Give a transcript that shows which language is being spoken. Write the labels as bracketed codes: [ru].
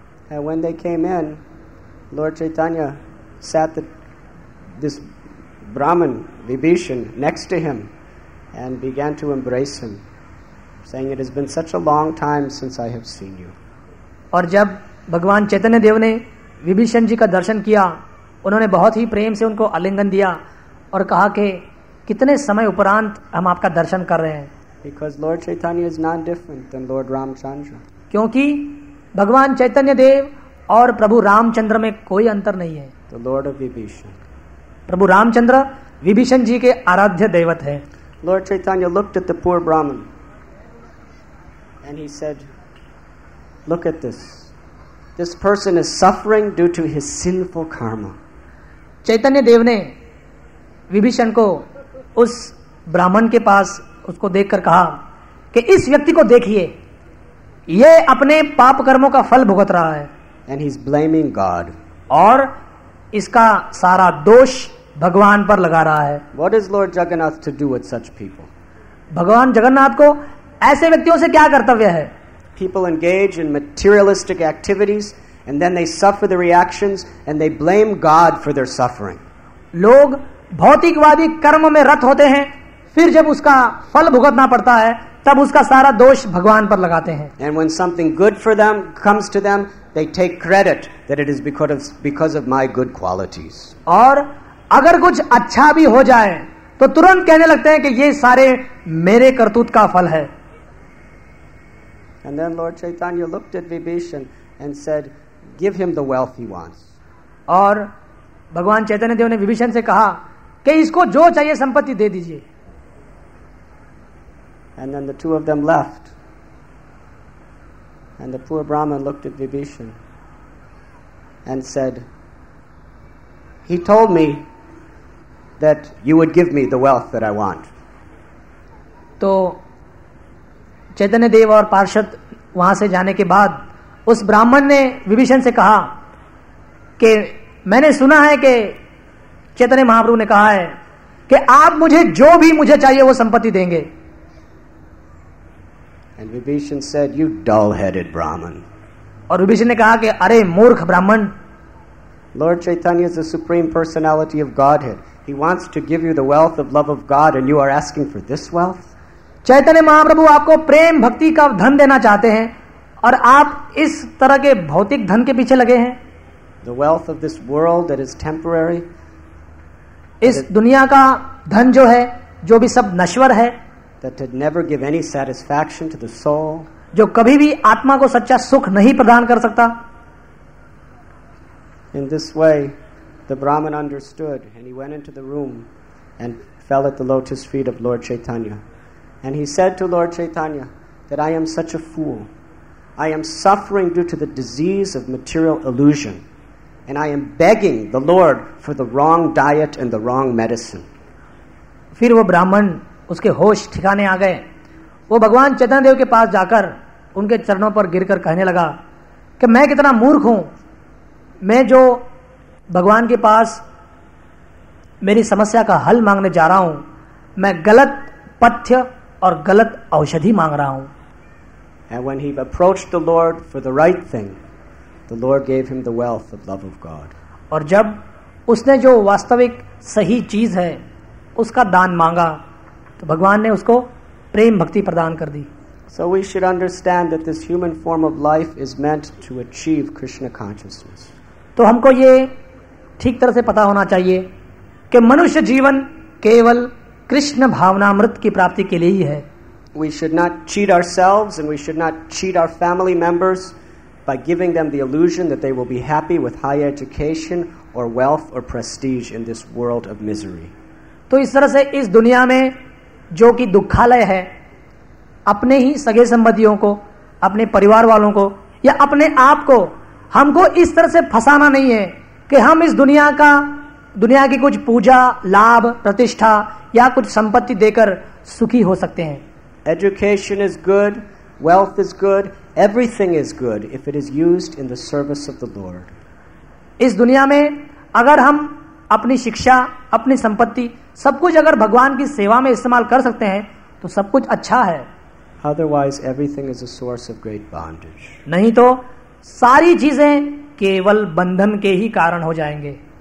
[en] And when they came in, Lord Chaitanya sat this Brahmin Vibhishan next to him and began to embrace him, saying, "It has been such a long time since I have seen you." [hi] और जब भगवान चैतन्य देव ने विभीषण जी का दर्शन किया, उन्होंने बहुत ही प्रेम से उनको आलिंगन दिया और कहा कि कितने समय उपरांत हम आपका दर्शन कर रहे हैं. [en] Because Lord Chaitanya is not different than Lord Ramchandra. [hi] क्योंकि भगवान चैतन्य देव और प्रभु रामचंद्र में कोई अंतर नहीं है. [en] The Lord of Vibhishan. [hi] प्रभु रामचंद्र विभीषण जी के आराध्य दैवत है. [en] Lord Chaitanya looked at the poor Brahmin and he said, "Look at this. This person is suffering due to his sinful karma." [hi] चैतन्य देव ने विभीषण को उस ब्राह्मण के पास उसको देखकर कहा कि इस व्यक्ति को देखिए, ये अपने पाप कर्मों का फल भुगत रहा है. [en] And he's blaming God. [hi] और इसका सारा दोष भगवान पर लगा रहा है. [en] What is Lord Jagannath to do with such people? [hi] भगवान जगन्नाथ को ऐसे व्यक्तियों से क्या कर्तव्य है? [en] People engage in materialistic activities and then they suffer the reactions and they blame God for their suffering. [hi] लोग भौतिकवादी कर्म में रत होते हैं, फिर जब उसका फल भुगतना पड़ता है, तब उसका सारा दोष भगवान पर लगाते हैं. [en] And when something good for them comes to them, they take credit that it is because of my good qualities. [hi] और अगर कुछ अच्छा भी हो जाए तो तुरंत कहने लगते हैं कि ये सारे मेरे करतूत का फल है. [en] And then Lord Chaitanya looked at Vibhishan and said, "Give him the wealth he wants." [hi] और भगवान चैतन्य देव ने विभीषण से कहा कि इसको जो चाहिए संपत्ति दे दीजिए. [en] And then the two of them left. And the poor Brahmin looked at Vibhishan and said, he told me that you would give me the wealth that I want. [hi] तो चैतन्य देव और पार्षद वहां से जाने के बाद उस ब्राह्मण ने विभीषण से कहा कि मैंने सुना है कि चैतन्य महाप्रभु ने कहा है कि आप मुझे जो भी मुझे चाहिए वो संपत्ति देंगे. [en] And Vibhishan said, "You dull-headed Brahman." [hi] और विभीषण ने कहा कि अरे मूर्ख ब्राह्मण. [en] Lord Chaitanya is the supreme personality of Godhead. He wants to give you the wealth of love of God, and you are asking for this wealth? [hi] Chaitanya Mahaprabhu आपको प्रेम भक्ति का धन देना चाहते हैं और आप इस तरह के भौतिक धन के पीछे लगे हैं. [en] The wealth of this world that is temporary. [hi] इस दुनिया का धन जो है, जो भी सब नश्वर है. [en] That had never give any satisfaction to the soul. [hi] जो कभी भी आत्मा को सच्चा सुख नहीं प्रदान कर सकता. [en] In this way, the Brahmin understood, and he went into the room and fell at the lotus feet of Lord Chaitanya. And he said to Lord Chaitanya that I am such a fool. I am suffering due to the disease of material illusion. And I am begging the Lord for the wrong diet and the wrong medicine. [hi] फिर वो ब्राह्मण उसके होश ठिकाने आ गए. वो भगवान चैतन्य देव के पास जाकर उनके चरणों पर गिरकर कहने लगा कि मैं कितना मूर्ख हूँ. मैं जो भगवान के पास मेरी समस्या का हल मांगने जा रहा हूँ, मैं गलत पथ्य और गलत औषधि मांग रहा हूँ. [en] And when he approached the Lord for the right thing, the Lord gave him the wealth of love of God. [hi] और जब उसने जो वास्तविक सही चीज है उसका दान मांगा तो भगवान ने उसको प्रेम भक्ति प्रदान कर दी. [en] So we should understand that this human form of life is meant to achieve Krishna consciousness. [hi] तो हमको ये ठीक तरह से पता होना चाहिए कि मनुष्य जीवन केवल कृष्ण भावनामृत की प्राप्ति के लिए ही है. [en] We should not cheat ourselves and we should not cheat our family members by giving them the illusion that they will be happy with high education or wealth or prestige in this world of misery. [hi] तो इस तरह से इस दुनिया में जो कि दुखालय है, अपने ही सगे संबंधियों को, अपने परिवार वालों को या अपने आप को हमको इस तरह से फंसाना नहीं है कि हम इस दुनिया का, दुनिया की कुछ पूजा, लाभ, प्रतिष्ठा या कुछ संपत्ति देकर सुखी हो सकते हैं. [en] Education is good, wealth is good, everything is good if it is used in the service of the Lord. [hi] इस दुनिया में अगर हम अपनी शिक्षा, अपनी संपत्ति, सब कुछ अगर भगवान की सेवा में इस्तेमाल कर सकते हैं तो सब कुछ अच्छा है. [en] Otherwise, everything is a source of great bondage. [hi] नहीं तो सारी चीजें केवल बंधन के ही कारण हो जाएंगे.